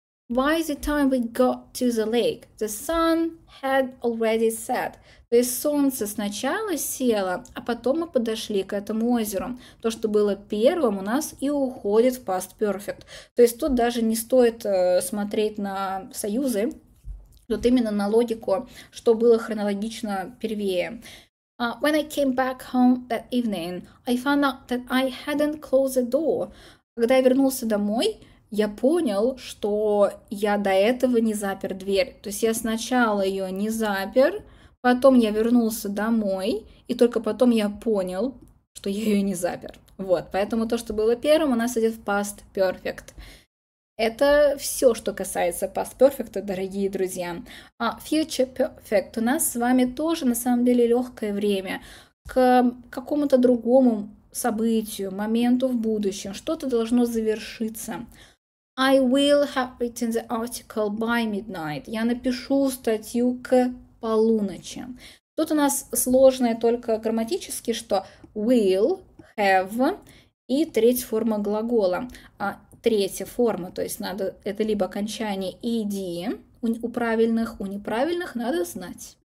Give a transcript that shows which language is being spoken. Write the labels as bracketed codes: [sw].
[en] By the time we got to the lake, the sun had already set. [ru] То есть солнце сначала село, а потом мы подошли к этому озеру. То, что было первым, у нас и уходит в past perfect. То есть тут даже не стоит смотреть на союзы, тут именно на логику, что было хронологично первее. [en] When I came back home that evening, I found out that I hadn't closed the door. [ru] Когда я вернулся домой, я понял, что я до этого не запер дверь. То есть я сначала ее не запер, потом я вернулся домой, и только потом я понял, что я ее не запер. Вот, поэтому то, что было первым, у нас идет в past perfect. Это все, что касается past perfect, дорогие друзья. А future perfect у нас с вами тоже, на самом деле, легкое время. К какому-то другому событию, моменту в будущем. Что-то должно завершиться. [en] I will have written the article by midnight. [ru] Я напишу статью к полуночи. Тут у нас сложное только грамматически, что will, have и треть форма глагола. А третья форма, то есть надо, это либо окончание ed, у правильных, у неправильных надо знать.